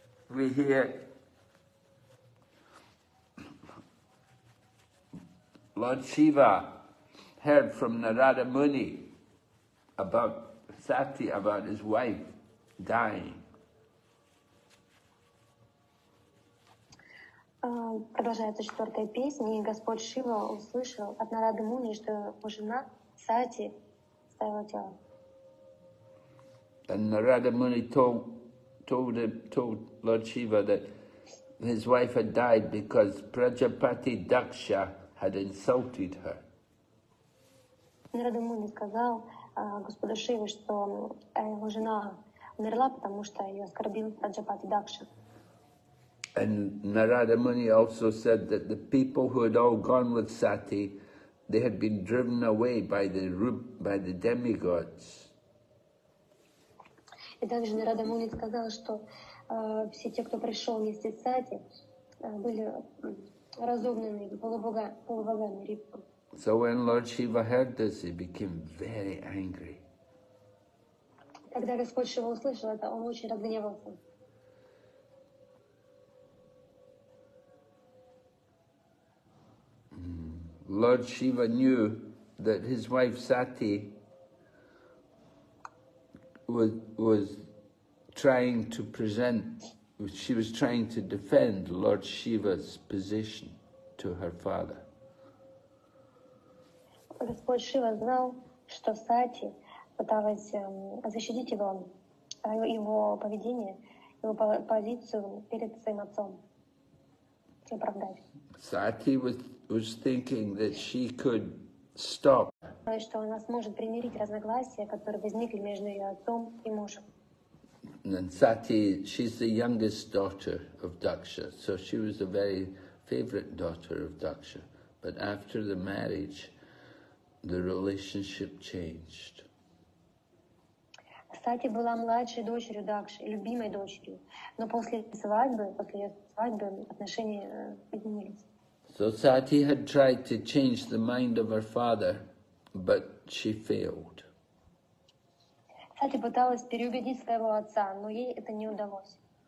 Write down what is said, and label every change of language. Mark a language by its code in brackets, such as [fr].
[en] We hear Lord Shiva heard from Narada Muni about Sati, about his wife dying. [ru] Продолжается четвертая песня, и Господь Шива услышал от Нарады Муни, что его жена Сати оставила тело. [en] And Narada Muni told Lord Shiva that his wife had died because Prajapati Daksha had insulted her. [ru] Нарада Муни сказал Господу Шиве, что его жена умерла, потому что ее оскорбил Праджапати Дакша. [en] And Narada Muni also said that the people who had all gone with Sati, they had been driven away by the demigods. [ru] И также Нарада Муни сказал, что все те, кто пришел вместе с Сати, были разогнаны полубогами Рипху. [en] So when Lord Shiva heard this, he became very angry. [ru] Когда Господь Шива услышал это, он очень разгневался. [en] Lord Shiva knew that his wife Sati was trying to present, she was trying to defend Lord Shiva's position to her father. [ru] Господь Шива знал, что Сати пыталась защитить его поведение, его позицию перед своим отцом, оправдать. [en] Sati was thinking that she could stop. [ru] Что она сможет примирить разногласия, которые возникли между ее отцом и мужем. [en] And Sati, she's the youngest daughter of Daksha, so she was a very favorite daughter of Daksha. But after the marriage, the relationship changed. [ru] Сати была младшей дочерью Дакши, любимой дочерью. Но после ее свадьбы отношения изменились. [en] So Sati had tried to change the mind of her father, but she failed. [ru] Сати пыталась переубедить своего отца, но ей это не удалось.